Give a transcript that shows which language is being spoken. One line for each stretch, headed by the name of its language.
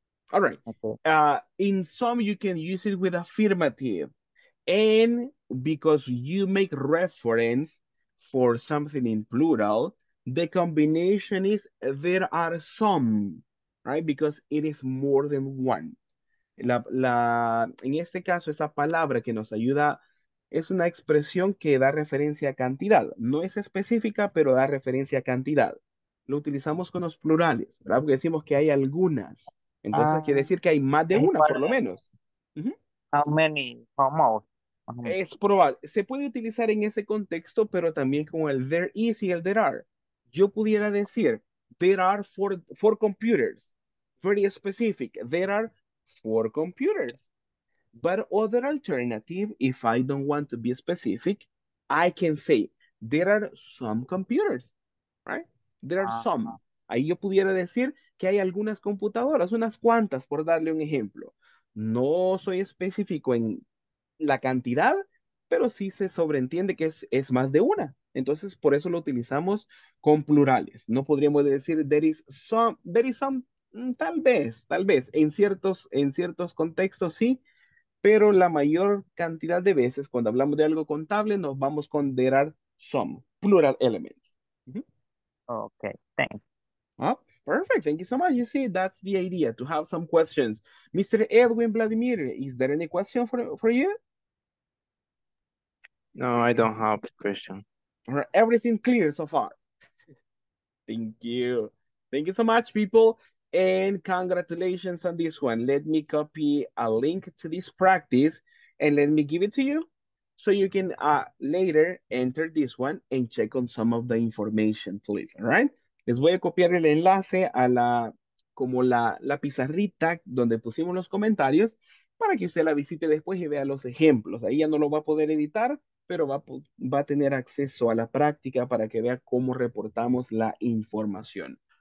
English: All right. Okay. In some, you can use it with affirmative. And because you make reference for something in plural, the combination is there are some, right? Because it is more than one.
Spanish: En este caso, esa palabra que nos ayuda. Es una expresión que da referencia a cantidad. No es específica, pero da referencia a cantidad. Lo utilizamos con los plurales, ¿verdad? Porque decimos que hay algunas. Entonces, quiere decir que hay más de una, por lo menos.
English: How many? How much?
Spanish: Es probable. Se puede utilizar en ese contexto, pero también con el
English: there is
Spanish: y el
English: there are.
Spanish: Yo pudiera decir,
English: there are four computers. Very specific. There are four computers. But other alternative, if I don't want to be specific, I can say, there are some computers, right? There are some.
Spanish: Ahí yo pudiera decir que hay algunas computadoras, unas cuantas, por darle un ejemplo. No soy específico en la cantidad, pero sí se sobreentiende que es más de una. Entonces, por eso lo utilizamos con plurales. No podríamos decir,
English: there is some,
Spanish: tal vez, en ciertos contextos, sí. pero la mayor cantidad de veces cuando hablamos de algo contable nos vamos con
English: there are some, plural elements. Okay, thanks. Oh, perfect, thank you so much. You see, that's the idea, to have some questions. Mr. Edwin Vladimir, is there any question for you? No, I don't have a question. Everything clear so far? Thank you. Thank you so much, people. And congratulations on this one. Let me copy a link to this practice and let me give it to you so you can later enter this one and check on some of the information, please. All right?
Spanish: Les voy a copiar el enlace a la, como la pizarrita donde pusimos los comentarios para que usted la visite después y vea los ejemplos. Ahí ya no lo va a poder editar, pero va a tener acceso a la práctica para que vea cómo reportamos la información.